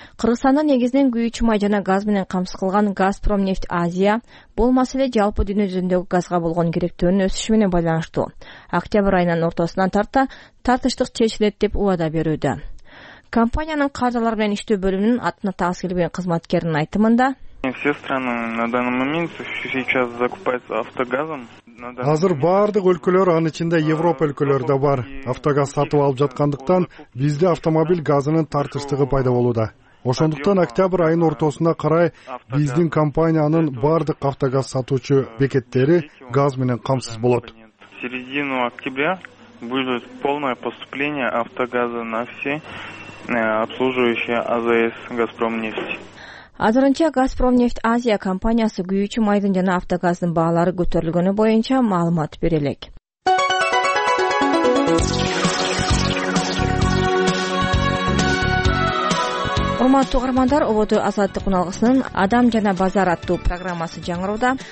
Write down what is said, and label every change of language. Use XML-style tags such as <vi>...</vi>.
<ky>Кыргызстанда негизинен күйүүчү май жана газ менен камсыкылган Газпромнефть Азия бул маселе жалпы дүйнө жүзүндөгү газга болгон керектөөнүн өсүшү менен байланыштуу. Октябрь айынын ортосунан тарта тартыштык чечилет деп убада берүүдө. Компаниянын кадрлар менен иштөө бөлүмүнүн атына таасы келген кызматкеринин айтымында</ky> <ru>все страны на данный момент сейчас закупаются автогазом.</ru> <ky>Азыр баардык өлкөлөр, анын ичинде Европа өлкөлөрү да бар, автогаз сатып алып жаткандыктан бизде автомобиль газынын тартыштыгы пайда болууда. Ошондуктан октябрь айынын ортосуна карай биздин компаниянын баардык автогаз сатуучу бекеттери газ менен камсыз болот.</ky> <ru>В середину октября будет полное поступление автогаза на все обслуживающие АЗС «Газпромнефть».</ru> <ky>Азырынча Газпромнефть Азия компаниясы күйүүчү майдын жана автогаздын баалары көтөрүлгөнү боюнча маалымат бере элек. Урматтуу угармандар, ободо Азаттык уналгысынын Адам жана базар аттуу программасы жаңырууда.</ky>